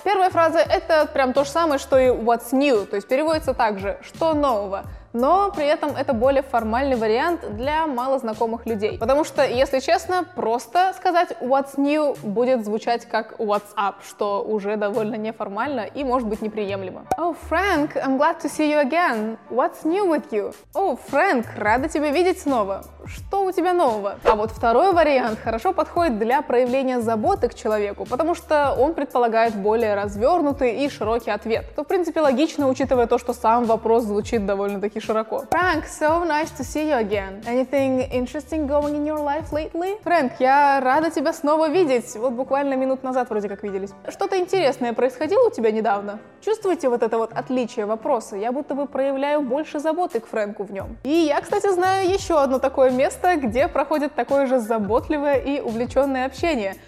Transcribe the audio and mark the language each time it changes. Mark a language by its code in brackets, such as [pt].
[ru] Первая фраза — это прям то же самое, что и [en] «What's new?», [ru] то есть переводится так же «что нового?». Но при этом это более формальный вариант для малознакомых людей. Потому что, если честно, просто сказать [en] «what's new» [ru] будет звучать как [en] «what's up», [ru] что уже довольно неформально и может быть неприемлемо. [en] «Oh, Frank, I'm glad to see you again. What's new with you?» [ru] «Oh, Frank, рада тебя видеть снова. что у тебя нового? А вот второй вариант хорошо подходит для проявления заботы к человеку, потому что он предполагает более развернутый и широкий ответ. То, в принципе, логично, учитывая то, что сам вопрос звучит довольно-таки широко. [en] Frank, so nice to see you again. Anything interesting going in your life lately? [ru] Frank, я рада тебя снова видеть. Вот буквально минут назад вроде как виделись. Что-то интересное происходило у тебя недавно? Чувствуете вот это вот отличие вопроса? Я будто бы проявляю больше заботы к Фрэнку в нем. И я, кстати, знаю еще одно такое место, где проходит такое же заботливое и увлеченное общение.